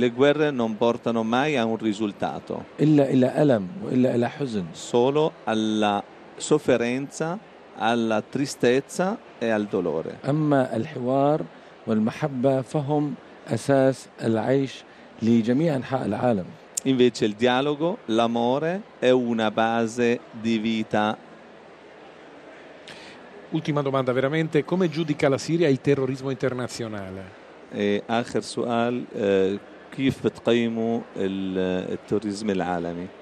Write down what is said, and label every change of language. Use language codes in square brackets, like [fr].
[it] le guerre non portano mai a un risultato [ar] الا الم والا الى حزن [it] solo alla sofferenza alla tristezza e al dolore [ar] اما الحوار والمحبه فهم اساس العيش لجميع انحاء العالم [it] invece il dialogo l'amore è una base di vita ultima domanda veramente come giudica la Siria il terrorismo internazionale [ar] آخر سؤال كيف بتقيموا التوريزم العالمي